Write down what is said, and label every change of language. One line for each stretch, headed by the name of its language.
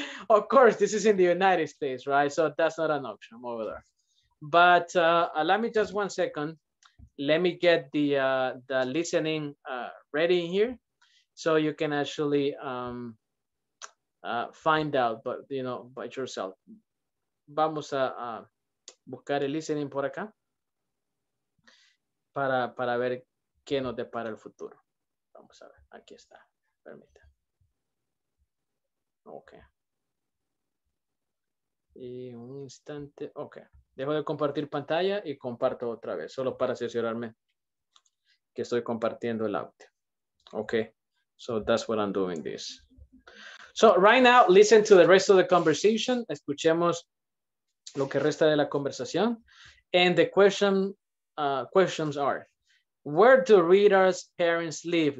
English: Of course, this is in the United States, right? So that's not an option over there. But allow me just 1 second. Let me get the listening ready here, so you can actually find out, but you know, by yourself.
Spanish: Vamos a buscar el listening por acá para ver qué nos depara el futuro. Vamos a ver, aquí está. Permítame. Okay. Y un instante. Okay. Dejo de compartir pantalla y comparto otra vez, solo para asegurarme que estoy compartiendo el audio.
English: Okay. So that's what I'm doing this. So right now, listen to the rest of the conversation.
Spanish: Escuchemos lo que resta de la conversación.
English: And the questions are, where do Rita's parents live?